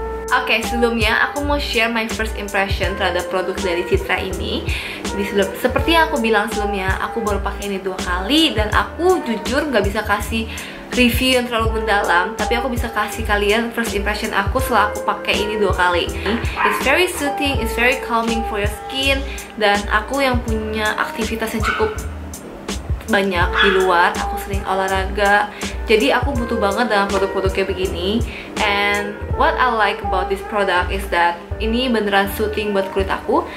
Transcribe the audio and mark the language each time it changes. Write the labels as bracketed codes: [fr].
[id] Okay, sebelumnya aku mau share [en] my first impression [id] terhadap produk dari Citra ini. Jadi seperti yang aku bilang sebelumnya, aku baru pakai ini dua kali dan aku jujur nggak bisa kasih review yang terlalu mendalam. Tapi aku bisa kasih kalian first impression aku setelah aku pakai ini dua kali. [en] It's very soothing, it's very calming for your skin. [id] Dan aku yang punya aktivitas yang cukup banyak di luar, aku sering olahraga. Jadi aku butuh banget dengan produk-produk kayak begini. [en] And what I like about this product is that [id] ini beneran soothing buat kulit aku.